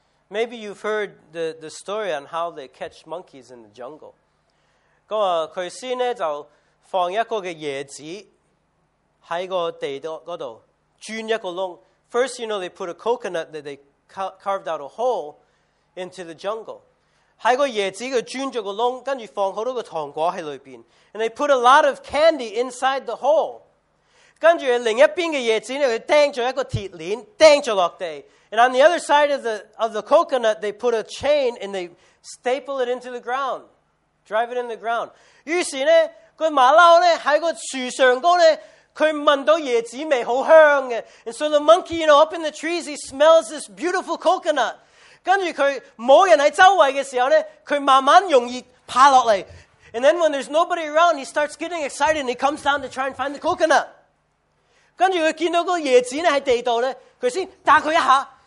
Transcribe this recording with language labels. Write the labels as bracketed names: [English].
[English] Maybe you've heard the story on how they catch monkeys in the jungle. [Cantonese] 咁啊，佢先咧就放一个嘅椰子喺个地嗰度钻一个窿。 [English] First, you know, they put a coconut that they carved out a hole into the jungle. [Cantonese] 喺个椰子佢钻咗个窿，跟住放好多个糖果喺里边。 [English] And they put a lot of candy inside the hole. [Cantonese] 跟住另一边嘅椰子咧，佢钉咗一个铁链，钉咗落地。 [English] And on the other side of the coconut, they put a chain and they staple it into the ground, drive it in the ground. [Cantonese] 于是咧，个马骝咧喺个树上高咧，佢闻到椰子味好香嘅。 [English] And so the monkey, you know, up in the trees, he smells this beautiful coconut. [Cantonese] 跟住佢冇人喺周围嘅时候咧，佢慢慢容易爬落嚟。 [English] And then when there's nobody around, he starts getting excited and he comes down to try and find the coconut. [Cantonese] 跟住佢见到个椰子咧喺地道咧，佢先打佢一下。